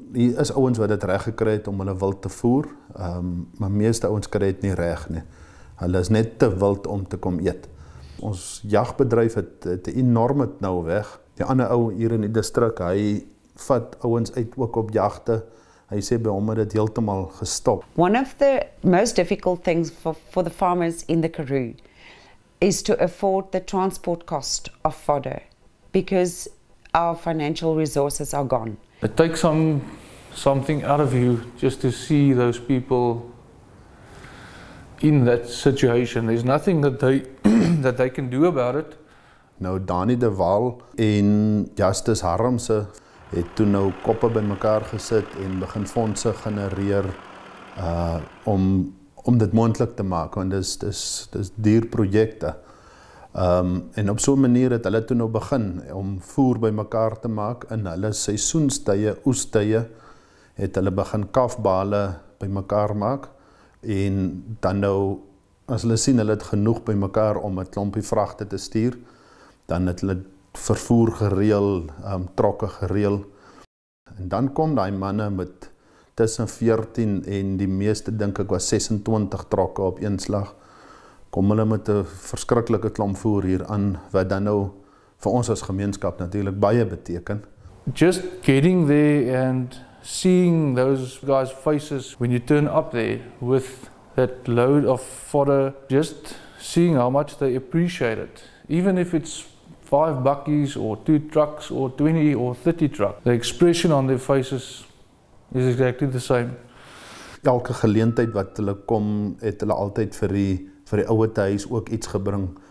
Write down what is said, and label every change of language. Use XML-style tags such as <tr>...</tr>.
<af>Hier is ouens wat dit reg gekry het om hulle wild te voer. Maar meeste ouens kry dit nie reg nie. Hulle is net te wild om te kom eet. Ons jagbedryf het 'n enorme nou weg. Die ander ou hier in die distrik, hy vat ouens uit ook op jagte. Hy sê by hom het dit heeltemal gestop.</af> <en>One of the most difficult things for the farmers in the Karoo is to afford the transport cost of fodder because our financial resources are gone. It takes something out of you just to see those people in that situation. There's nothing that they that they can do about it.</en> <af>Nou Dani de Waal en Justice Harmse het toe nou koppe bymekaar gesit en begin fondse genereer om dit moontlik te maak, want dis duur projekte. En op so 'n manier het hulle toe nou begin om voer bymekaar te maak in hulle seisoenstye, oestye, het hulle begin kafbale bymekaar maak en dan nou as hulle sien hulle het genoeg bymekaar om 'n klompie vragte te stuur, dan het hulle vervoer gereël, trokke gereël. En dan kom daai manne met tussen 14 en die meeste dink ek was 26 trokke op een slag. Kom hulle met 'n verskriklike klomp voer hier aan wat dan nou vir ons as gemeenskap natuurlik baie beteken.</af> <en>Just getting there and seeing those guys' faces when you turn up there with that load of fodder, just seeing how much they appreciate it, even if it's 5 buckies or 2 trucks or 20 or 30 trucks. The expression on their faces is exactly the same.</en> <af>Elke geleentheid wat hulle kom, het hulle altyd vir die ouer te huis ook iets gebring</af>